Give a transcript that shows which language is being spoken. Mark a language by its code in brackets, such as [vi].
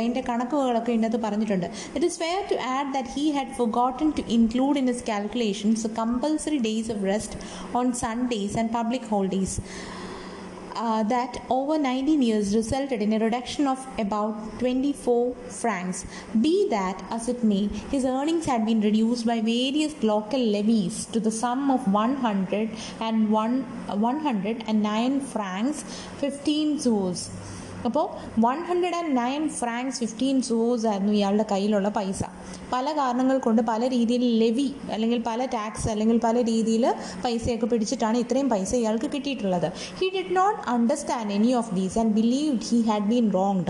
[ml] അതിൻ്റെ കണക്കുകളൊക്കെ ഇന്നത്ത് പറഞ്ഞിട്ടുണ്ട്. [en] It is fair to add that he had forgotten to include in his calculations compulsory days of rest on Sundays and public holidays that over 19 years resulted in a reduction of about 24 francs. Be that as it may, his earnings had been reduced by various local levies to the sum of 109 francs 15 sous. [ml] അപ്പോൾ 109 francs 15 sous ആയിരുന്നു ഇയാളുടെ കയ്യിലുള്ള പൈസ. പല കാരണങ്ങൾ കൊണ്ട് പല രീതിയിൽ ലെവി അല്ലെങ്കിൽ പല ടാക്സ് അല്ലെങ്കിൽ പല രീതിയിൽ പൈസയൊക്കെ പിടിച്ചിട്ടാണ് ഇത്രയും പൈസ ഇയാൾക്ക് കിട്ടിയിട്ടുള്ളത്. [en] He did not understand any of these and believed he had been wronged.